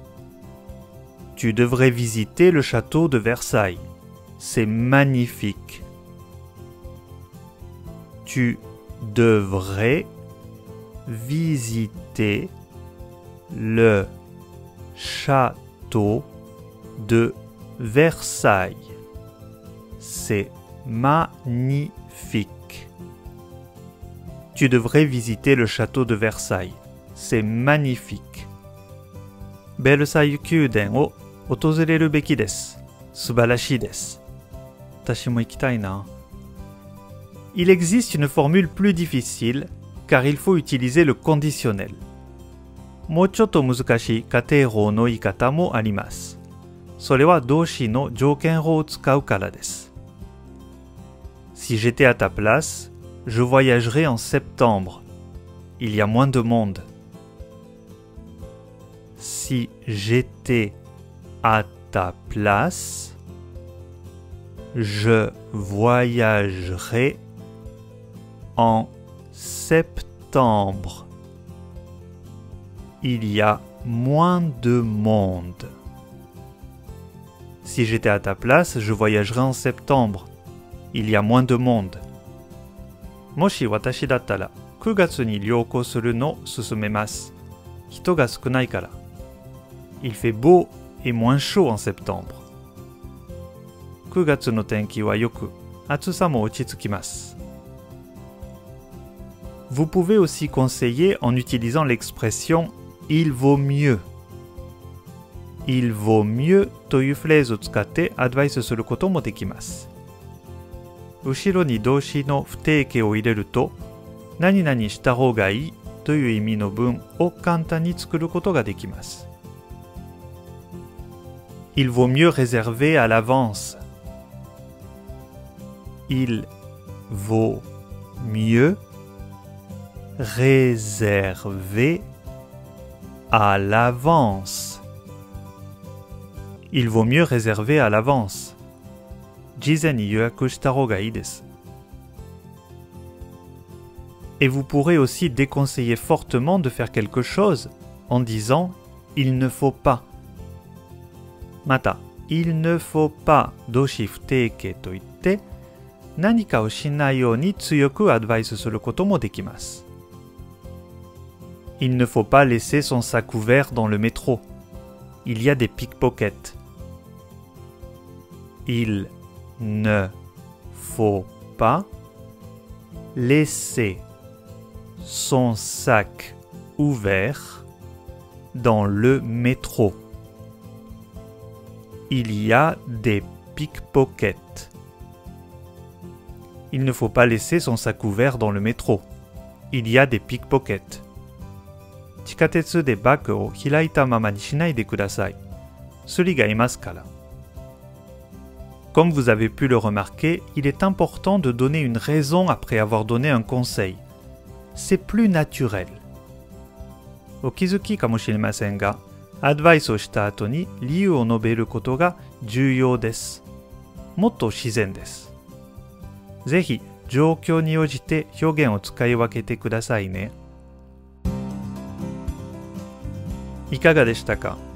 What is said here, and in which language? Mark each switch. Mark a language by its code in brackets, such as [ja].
[fr] 「Tu devrais visiter le château de Versailles. C'est magnifique. Tu devraisVisiter le château de Versailles. C'est magnifique. Tu devrais visiter le château de Versailles. C'est magnifique. [ja] ベルサイユ宮殿を訪れるべきです。素晴らしいです。私も行きたいな。 [fr] Il existe une formule plus difficile. Car il faut utiliser le conditionnel. [ja] もうちょっと難しい仮定法の言い方もあります。それは動詞の条件法を使うからです。 [fr] Si j'étais à ta place, je voyagerais en septembre. Il y a moins de monde. Si j'étais à ta place, je voyagerais en septembre. Il y a moins de monde. Si j'étais à ta place, je voyagerais en septembre. Il y a moins de monde. [ja] もし私だったら、9月に旅行するのを勧めます。人が少ないから。 [fr] Il fait beau et moins chaud en septembre. [ja] 9月の天気は良く、暑さも落ち着きます。 [fr] Vous pouvez aussi conseiller en utilisant l'expression « il vaut mieux ».« Il vaut mieux [ja] » というフレーズを使ってアドバイスすることもできます。後ろに動詞の不定形を入れると「何々した方がいい」という意味の文を簡単に作ることができます。 [fr] 「Il vaut mieux réserver à l'avance」「Il vaut mieux」Réserver à l'avance. Il vaut mieux réserver à l'avance. [ja] 事前に予約した方がいいです。 [fr] Et vous pourrez aussi déconseiller fortement de faire quelque chose en disant « il ne faut pas ». [ja] また、 [fr] 「il ne faut pas」 [ja] 動詞不定形といって、何かをしないように強くアドバイスすることもできます。 [fr] Il ne faut pas laisser son sac ouvert dans le métro. Il y a des pickpockets. Il ne faut pas laisser son sac ouvert dans le métro. Il y a des pickpockets. Il ne faut pas laisser son sac ouvert dans le métro. Il y a des pickpockets. [ja] 地下鉄でバッグを開いたままにしないでください。スリがいますから。 [fr] Comme vous avez pu le remarquer, il est important de donner une raison après avoir donné un conseil. C'est plus naturel. [ja] お気づきかもしれませんが、アドバイスをした後に理由を述べることが重要です。もっと自然です。ぜひ、状況に応じて表現を使い分けてくださいね。いかがでしたか?